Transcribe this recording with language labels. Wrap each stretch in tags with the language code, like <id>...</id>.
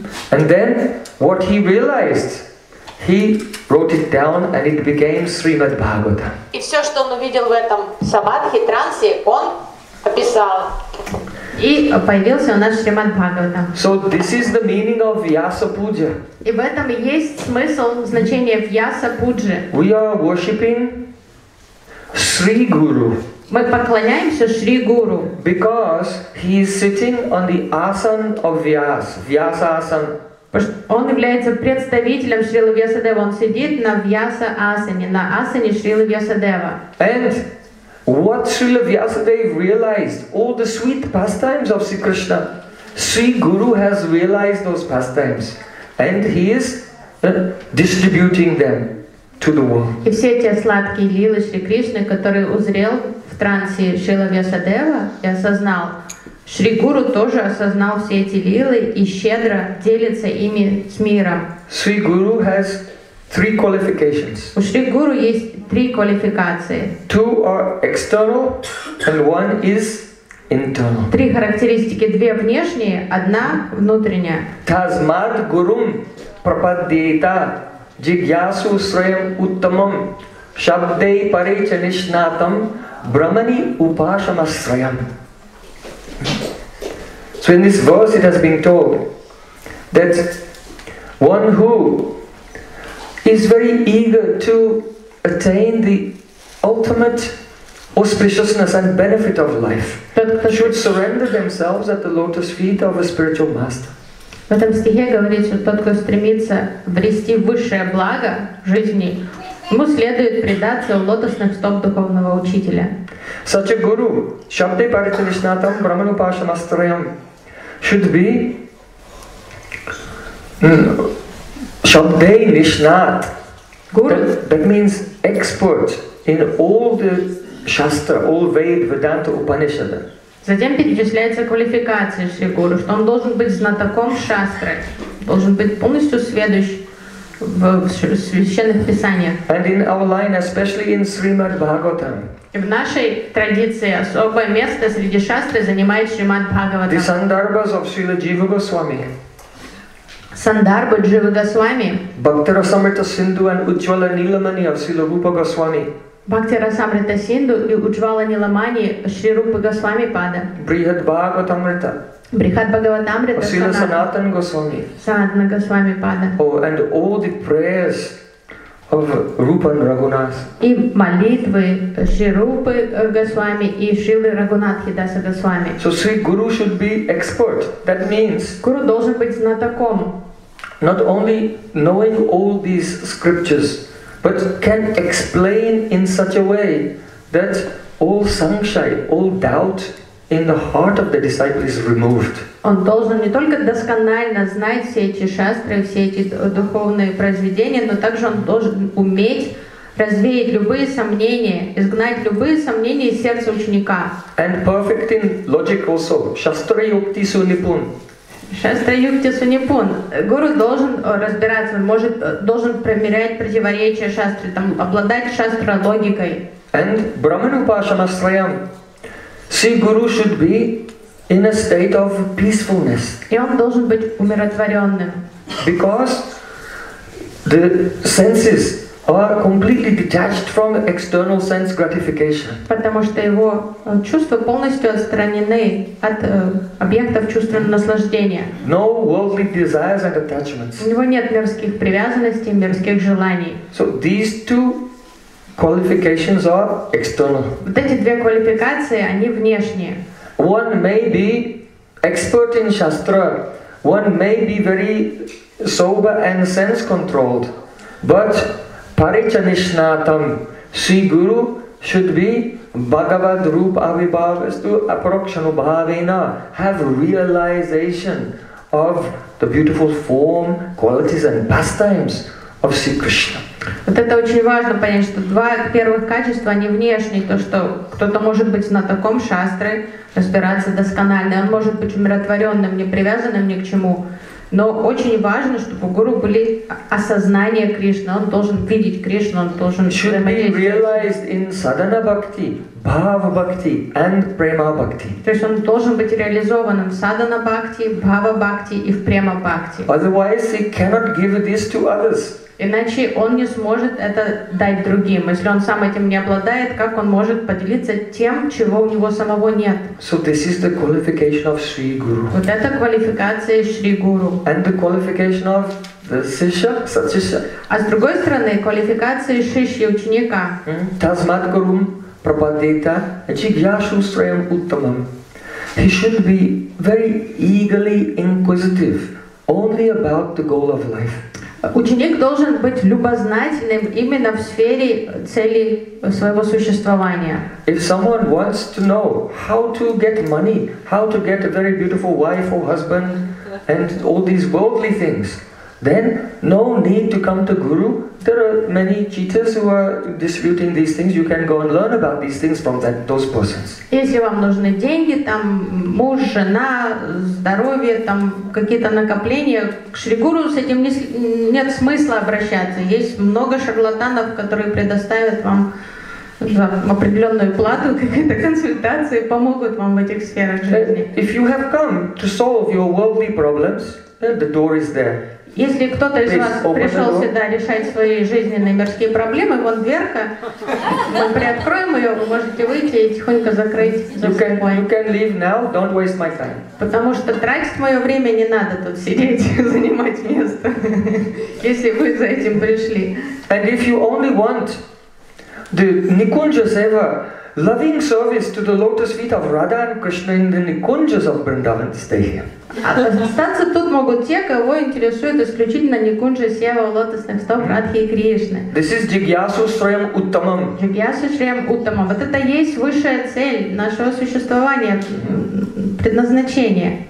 <en>And then what he realized, he wrote it down and it became Srimad Bhagavatam.</en> <ru>И все, что он увидел в этом самадхи, трансе, он описал. И появился у нас Шримад Бхагаватам.</ru> <en>So this is the meaning of Vyasa Puja.</en> <ru>И в этом есть смысл, значение Vyasa Puja.</ru> <en>We are worshipping Sri Guru.</en> <ru>Мы поклоняемся Шри Гуру.</ru> <en>Because he is sitting on the asan of Vyas, Vyasa asan.</en> <ru>Он является представителем Шрилы Вьясадева. Он сидит на Vyasa асане, на асане Шрилы Вьясадева.</ru> <en>And what Шрила Вьясадев realized, all the sweet pastimes of Sri Krishna, Sri Guru has realized those pastimes, and he is distributing them to the world.</en> <ru>И все эти сладкие лилы Шри Кришны, которые узрел в трансе Шрила Вьясадева и осознал, Шри Гуру тоже осознал все эти лилы и щедро делится ими с миром.</ru> <en>Шри Гуру has three qualifications.</en> <ru>У Шри Гуру есть три квалификации.</ru> <en>Two are external and one is internal.</en> <ru>Три характеристики, две внешние, одна внутренняя.</ru> <sa>Тасмат гурум прападьета джигьясу сраям уттамам шабдей парича нишнатам брамани упашама сраям.</sa> <en>So in this verse it has been told that one who is very eager to attain the ultimate auspiciousness and benefit of life should surrender themselves at the lotus feet of a spiritual master.</en> <ru>В этом стихе говорится, что тот, кто стремится обрести высшее благо жизни, ему следует предаться у лотосных стоп духовного учителя.</ru> <en>Such a guru,</en> <sa>Shabde Paritanishnatam Brahmanupasham Astrayam,</sa> <en>should be Shabde Nishnat. Guru. That means expert in all the Shastra, all Ved, Vedanta, Upanishad.</en> <ru>Затем перечисляется квалификация Шри Гуру, что он должен быть знатоком Шастры, должен быть полностью сведущ в священных писаниях.</ru> <en>And in our line, especially in Srimad Bhagavatam.</en> <ru>И в нашей традиции особое место среди шастры занимает Шримад Бхагаватам.</ru> <en>The Sandarbhas of Srila Jiva Goswami.</en> <ru>Сандарбы Дживы Госвами.</ru> <en>Бхактирасамрита Синду and Ujjvala Nilamani of Srila Rupa Goswami.</en> <ru>Бхактирасамрита Синду и Ujjvala Nilamani Шри Рупа Госвами пада.</ru> <en>Брихат Бхагаватамрита.</en> <ru>Брихат Бхагаватамрита.</ru> <en>Srila Sanatana Goswami.</en> <ru>Санатана Госвами пада.</ru> <en>Oh, and all the prayers of Rupa and Raghunath.</en> <ru>И молитвы Шри Рупы Госвами и Шрилы Рагунатхи Даса Госвами.</ru> <en>So Sri Guru should be expert. That means</en> <ru>Guru должен быть знатоком.</ru> <en>not only knowing all these scriptures, but can explain in such a way that all sankshay, all doubt in the heart of the disciple is removed.</en> <ru>Он должен не только досконально знать все эти шастры, все эти духовные произведения, но также он должен уметь развеять любые сомнения, изгнать любые сомнения из сердца ученика.</ru> <en>And perfect in logic also.</en> <sa>Шастра юкти сунипун. Шастра юкти сунипун.</sa> <ru>Гуру должен разбираться, может, должен примерять противоречия шастры, там, обладать шастра логикой.</ru> <en>And Brahman Upashamasrayam. See, Guru should be in a state of peacefulness.</en> <ru>И он должен быть умиротворенным.</ru> <en>Because the senses are completely detached from external sense gratification.</en> <ru>Потому что его чувства полностью отстранены от объектов чувственного наслаждения.</ru> <en>No worldly desires and attachments.</en> <ru>У него нет мирских привязанностей, мирских желаний.</ru> <en>So these two qualifications are external.</en> <ru>Вот эти две квалификации, они внешние.</ru> <en>One may be expert in shastra, one may be very sober and sense controlled, but Parichanishnatam, Sri Guru should be</en> <sa>Bhagavad Rupa Avibhavastu Aparokshanu Bhavena,</sa> <en>have realization of the beautiful form, qualities and pastimes of Sri Krishna.</en> <ru>Вот это очень важно понять, что два первых качества, они внешние, то, что кто-то может быть на таком шастре, разбираться досконально, он может быть умиротворенным, не привязанным ни к чему. Но очень важно, чтобы у гуру были осознание Кришны. Он должен видеть Кришну, он должен прямо. То есть он должен быть реализованным в садхана бхакти, бхава бхакти и в према бхакти.</ru> <en>Otherwise he cannot give this to others.</en> <ru>Иначе он не сможет это дать другим. Если он сам этим не обладает, как он может поделиться тем, чего у него самого нет?</ru> <en>So this is the qualification of Sri Guru.</en> <ru>Вот это квалификация Шри Гуру.</ru> <en>And the qualification of the Shishya, Sachishya.</en> <ru>А с другой стороны, квалификация Шишьи, ученика.</ru> <sa>Tasmat Gurum Prapadita Jigyashu Srayam Uttamam.</sa> <en>He should be very eagerly inquisitive only about the goal of life.</en> <ru>Ученик должен быть любознательным именно в сфере цели своего существования.</ru> <en>If someone wants to know how to get money, how to get a very beautiful wife or husband and all these worldly things, then no need to come to Guru. There are many cheaters who are disputing these things. You can go and learn about these things from that, those persons.</en> <ru>Если вам нужны деньги, там муж, жена, здоровье, там какие-то накопления, к Шри Гуру с этим нет смысла обращаться. Есть много шарлатанов, которые предоставят вам определенную плату, какие-то консультации, помогут вам в этих сферах жизни.</ru> <en>If you have come to solve your worldly problems, then the door is there.</en> <ru>Если кто-то из вас пришел сюда решать свои жизненные мирские проблемы, вон дверка, мы приоткроем ее, вы можете выйти и тихонько закрыть за собой.</ru> <en>You can leave now, don't waste my time.</en> <ru>Потому что тратить мое время не надо тут сидеть, занимать место, если вы за этим пришли.</ru> <en>And if you only want the Nikunja Seva, loving service to the lotus feet of Radha and Krishna in the Nikunjas of Vrindavan, stay here.</en> <ru>Остаться тут могут те, кого интересует исключительно Никунджа Сева, лотосных стоп Радхи и Кришны.</ru> <en>This is Jigyasu Srayam Uttamam.</en> <sa>Jigyasu Srayam Uttamam.</sa> <ru>Вот это есть высшая цель нашего существования, предназначение.</ru>